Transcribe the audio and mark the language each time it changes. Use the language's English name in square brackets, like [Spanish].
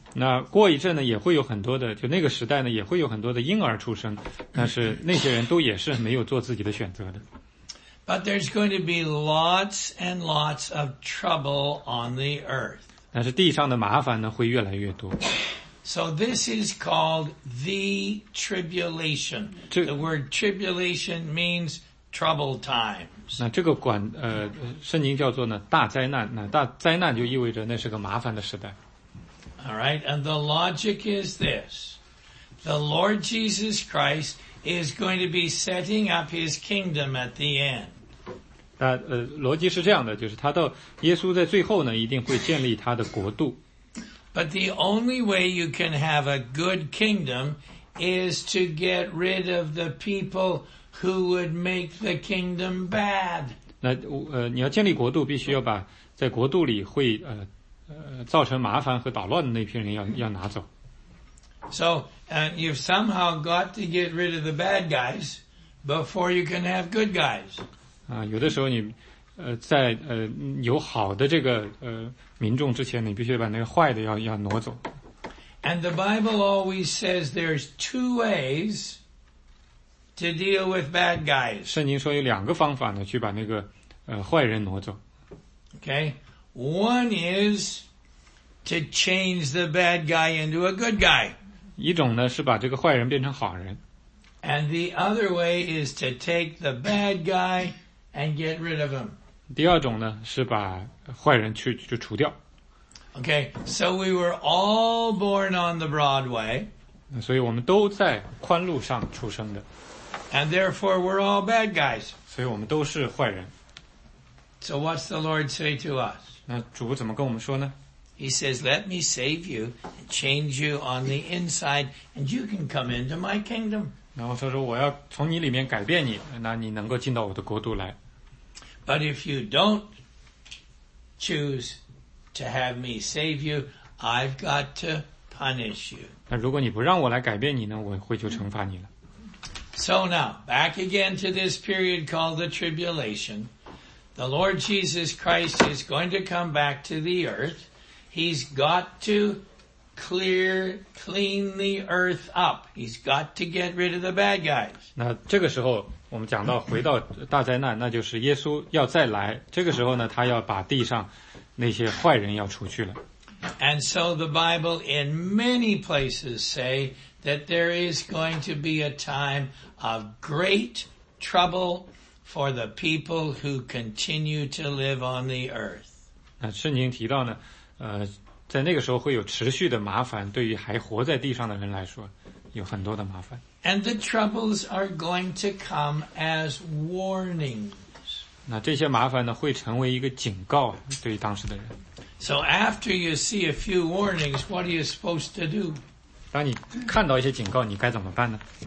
[Chinese] 那过一阵呢，也会有很多的，就那个时代呢，也会有很多的婴儿出生，但是那些人都也是没有做自己的选择的。 [English] But there's going to be lots and lots of trouble on the earth. [Chinese] 但是地上的麻烦呢会越来越多。 [English] So this is called the tribulation. The word tribulation means trouble times. [Chinese] 那这个管圣经叫做呢大灾难那大灾难就意味着那是个麻烦的时代。 [English] All right, and the logic is this. The Lord Jesus Christ is going to be setting up his kingdom at the end. [Chinese] 那逻辑是这样的，就是他到耶稣在最后呢，一定会建立他的国度。 [English] But the only way you can have a good kingdom is to get rid of the people who would make the kingdom bad. [Chinese] 那你要建立国度，必须要把在国度里会造成麻烦和捣乱的那批人要拿走。 [English] So, you've somehow got to get rid of the bad guys before you can have good guys. [Chinese] 有的时候你在有好的这个民众之前，你必须把那个坏的要挪走。 [English] And the Bible always says there's two ways to deal with bad guys. [Chinese] 圣经说有两个方法呢，去把那个坏人挪走。 [English] Okay, one is to change the bad guy into a good guy. [Chinese] 一种呢是把这个坏人变成好人。 [English] And the other way is to take the bad guy and get rid of him. [Chinese] 第二种呢是把坏人去除掉。 [English] Okay, so we were all born on the broad way. [Chinese] 所以我们都在宽路上出生的。 [English] And therefore we're all bad guys. [Chinese] 所以我们都是坏人。 [English] So what's the Lord say to us? [Chinese] 那主怎么跟我们说呢？ [English] He says, let me save you and change you on the inside and you can come into my kingdom. [Chinese] 然后他说我要从你里面改变你，那你能够进到我的国度来。 [English] But if you don't choose to have me save you, I've got to punish you. [Chinese] 那如果你不让我来改变你呢，我会就惩罚你了。 [English] So now, back again to this period called the tribulation. The Lord Jesus Christ is going to come back to the earth. He's got to clean the earth up. He's got to get rid of the bad guys. [Chinese] 那这个时候我们讲到回到大灾难，那就是耶稣要再来。这个时候呢，他要把地上那些坏人要除去了。 [English] And so the Bible in many places say that there is going to be a time of great trouble for the people who continue to live on the earth. [Chinese] 那圣经提到呢，在那个时候会有持续的麻烦，对于还活在地上的人来说，有很多的麻烦。 [English] And the troubles are going to come as warnings. [Chinese] 那这些麻烦呢，会成为一个警告，对于当时的人。 [English] So after you see a few warnings, what are you supposed to do? [Chinese] 当你看到一些警告，你该怎么办呢？